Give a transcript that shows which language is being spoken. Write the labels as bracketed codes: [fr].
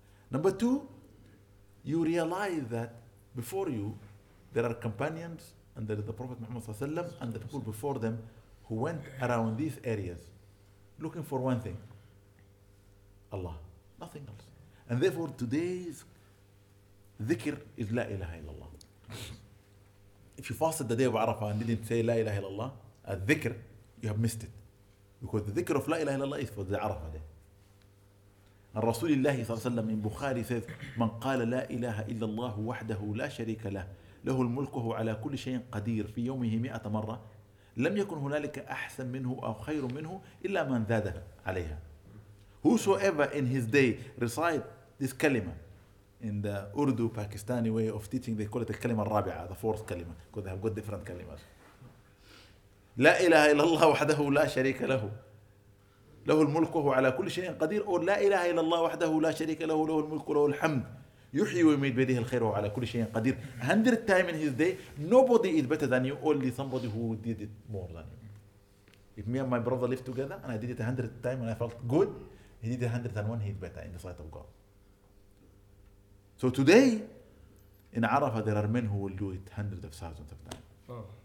[en] Number two, you realize that before you, there are companions, and there is the Prophet Muhammad ﷺ, and the people before them who went around these areas looking for one thing, Allah, nothing else. And therefore, today's dhikr is La ilaha illallah. If you fasted the day of Arafah and didn't say La ilaha illallah, at dhikr, you have missed it. Because the dhikr of La ilaha illallah is for the Arafah day. And Rasulullah ﷺ in Bukhari says, [ar] من قال لا إله إلا الله وحده لا شريك له له الملك وهو على كل شيء قدير في يومه مئة مرة لم يكن هنالك أحسن منه أو خير منه إلا من زاد عليها. [en] Whosoever in his day recite this kalima, in the Urdu Pakistani way of teaching, they call it the kalima الرابعة, the fourth kalima, because they have got different kalimas. [ar] لا إله إلا الله وحده لا شريك له له الملك وهو على كل شيء قدير أو لا إله إلا الله وحده لا شريك له له الملك وله الحمد يحيي ويميت بيده الخير وهو على كل شيء قدير. [en] 100 times in his day, nobody is better than you, only somebody who did it more than you. If me and my brother lived together and I did it 100 times and I felt good, he did 101, he's better in the sight of God. So today, in Arafah, there are men who will do it hundreds of thousands of times. Oh.